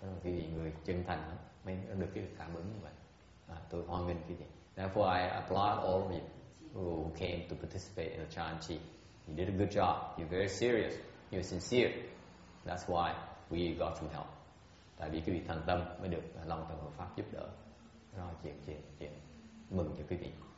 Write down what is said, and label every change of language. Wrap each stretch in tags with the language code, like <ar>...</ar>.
<vi>Quý vị người chân thành mới được cái cảm ứng như vậy. Tôi hoan nghênh quý vị.</vi> <en>Therefore I applaud all of you who came to participate in the Chan Chi. You did a good job. You're very serious. You're sincere. That's why we got some help.</en> <vi>Tại vì quý vị thành tâm mới được Long Tam Bảo Pháp giúp đỡ. Rồi chuyện mừng cho quý vị.</vi>